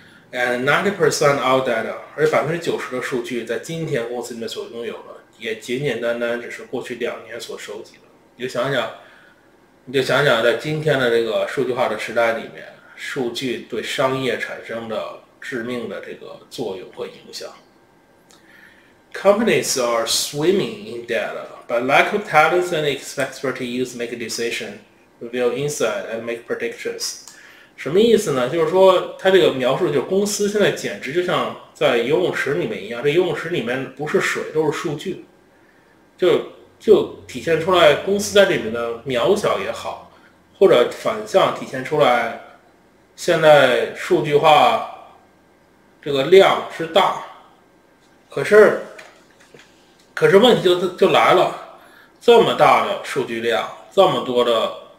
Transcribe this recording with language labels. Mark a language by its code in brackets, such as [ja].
[en] And 90% of data， [zh] 而 90% 的数据在今天公司里面所拥有的，也简简单单只是过去两年所收集的。你就想想在今天的这个数据化的时代里面，数据对商业产生的致命的这个作用和影响。 [en] Companies are swimming in data, but lack of talents and expertise make a decision, reveal insight, and make predictions. [zh] 什么意思呢？就是说，他这个描述就是公司现在简直就像在游泳池里面一样，这游泳池里面不是水，都是数据，就体现出来公司在里面的渺小也好，或者反向体现出来，现在数据化这个量是大，可是问题就来了，这么大的数据量，这么多的